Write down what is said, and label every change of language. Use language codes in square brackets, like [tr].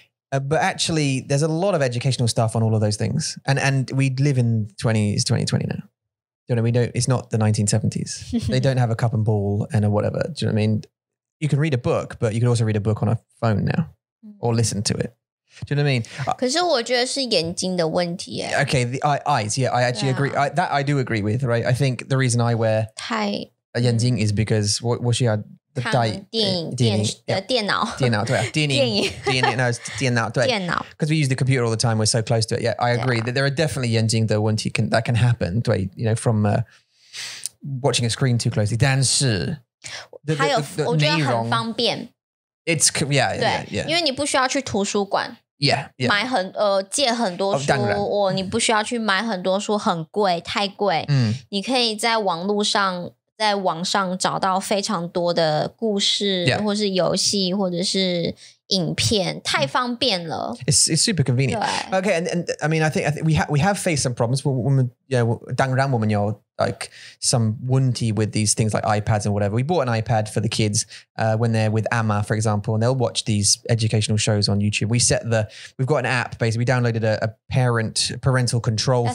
[en] But actually, there's a lot of educational stuff on all of those things. And we live in 2020 now. You know, it's not the 1970s. They don't have a cup and ball and a whatever. Do you know what I mean? You can read a book, but you can also read a book on a phone now or listen to it. Do you know what I mean? [zh] 可是我觉得是眼睛的问题耶。 [en] Okay, the eyes, yeah, I actually agree. That I do agree with, right? I think the reason I wear [zh] 太眼睛 [en] is because [zh] 我需要看电影电脑电脑对啊电影电影 no, 电脑对电脑 [en] because we use the computer all the time, we're so close to it. Yeah, I agree that there are definitely [zh] 眼睛的问题 [en] that can happen, 对 you know, from watching a screen too closely. [zh] 但是还有我觉得很方便 [en] It's, yeah, [zh] 对因为你不需要去图书馆 [en] Yeah, yeah. [zh] 买很借很多书、 oh, 哦、你不需要去买很多书很贵太贵、嗯、你可以在网络上在网上找到非常多的故事、 [en] yeah. [zh] 或是游戏或者是影片太方便了 [en] it's super convenient okay and I mean I think we have faced some problems [zh] 我们 [en] yeah, [zh] 当然我们有 [en] like some [zh] 问题 [en] with these things like iPads and whatever we bought an iPad for the kids when they're with Amma for example and they'll watch these educational shows on YouTube we've got an app basically we downloaded a parental control